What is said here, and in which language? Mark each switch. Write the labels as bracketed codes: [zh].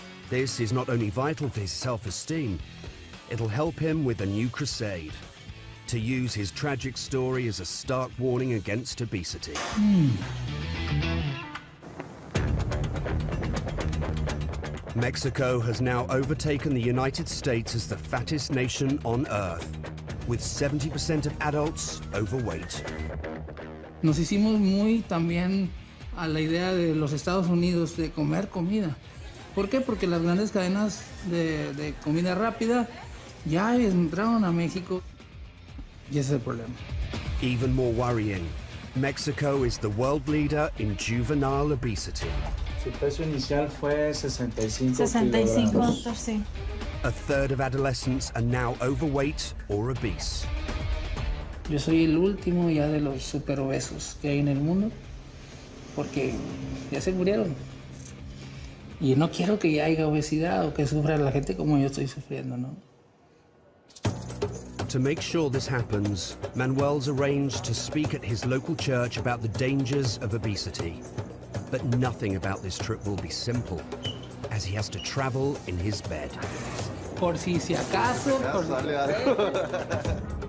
[en] This is not only vital for his self-esteem, it'll help him with a new crusade, to use his tragic story as a stark warning against obesity. Mexico has now overtaken the United States as the fattest nation on Earth, with 70% of adults overweight. [es] Nos hicimos muy también a la idea de los Estados Unidos de comer comida. ¿Por qué? Porque las grandes cadenas de comida rápida ya entraron a México. Y ese es el problema. [en] Even more worrying, Mexico is the world leader in juvenile obesity. [es] Su peso inicial fue 65. 65, sí. [en] A third of adolescents are now overweight or obese. [es] Yo soy el último ya de los superobesos que hay en el mundo, porque ya se murieron. Y no quiero que ya haya obesidad o que sufra la gente como yo estoy sufriendo, ¿no? [en] To make sure this happens, Manuel's arranged to speak at his local church about the dangers of obesity. But nothing about this trip will be simple, as he has to travel in his bed. [es] Por si acaso, por si...